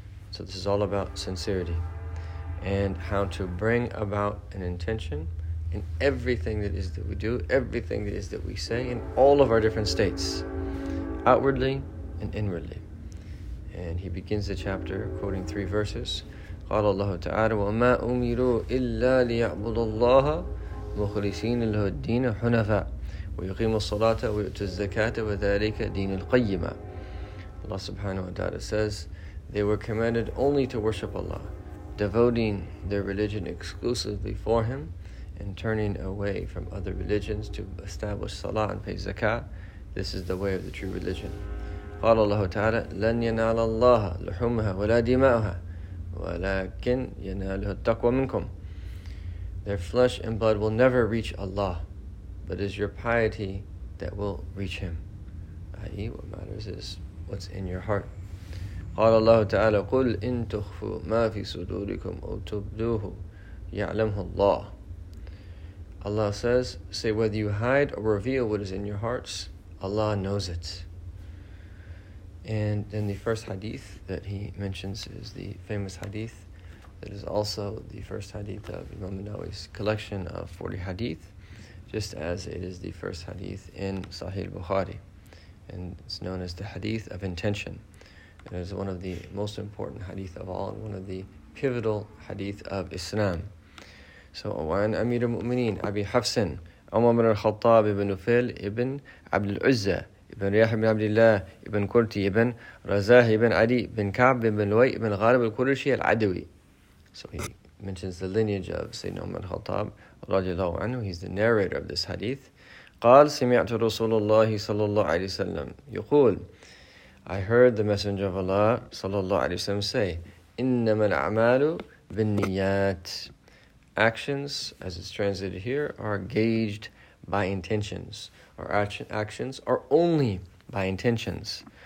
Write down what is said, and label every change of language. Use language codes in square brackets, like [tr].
[en] So this is all about sincerity and how to bring about an intention in everything that is that we do, everything that is that we say, in all of our different states, outwardly and inwardly. And he begins the chapter quoting three verses. [ar] قال الله تعالى وما أمروا إلا ليعبدوا الله مخلصين له الدين حنفاء ويقيموا الصلاة ويؤتوا الزكاة وذلك دين القيمة. [en] Allah subhanahu wa ta'ala says they were commanded only to worship Allah, devoting their religion exclusively for Him and turning away from other religions to establish salah and pay zakah. This is the way of the true religion. [ar] قال الله تعالى لن ينال الله لحومها ولا دماؤها ولكن يناله التقوى منكم. [en] Their flesh and blood will never reach Allah, but it is your piety that will reach Him. I.e., what matters is what's in your heart. [ar] قال الله تعالى قل إن تخفوا ما في صدوركم أو تبدوه يعلمه الله. [en] Allah says, say whether you hide or reveal what is in your hearts, Allah knows it. And then the first hadith that he mentions is the famous hadith that is also the first hadith of Imam Nawawi's collection of 40 hadith, just as it is the first hadith in Sahih Bukhari. And it's known as the hadith of intention. It is one of the most important hadith of all and one of the pivotal hadith of Islam. [ar] So, وَعَنْ أَمِيرُ الْمُؤْمِنِينَ أَبِي حَفْسٍ عُمَرَ بْنُ الْخَطَّابِ بْنُ نُفَيْلٍ ابْنُ عَبْدِ الْعُزَّةِ ابن رياح بن عبد الله ابن كرتي ابن رزاه ابن عدي بن كعب بن لوي ابن غالب الكرشي العدوي. [en] So he mentions the lineage of Sayyidina Umar al-Khattab [ar] رضي الله عنه. [en] He's the narrator of this hadith. [ar] قال سمعت رسول الله صلى الله عليه وسلم يقول. [en] I heard the messenger of Allah [ar] صلى الله عليه وسلم [en] say [ar] إنما الأعمال بالنيات. [en] Actions, as it's translated here, are gauged by intentions. Our actions are only by intentions.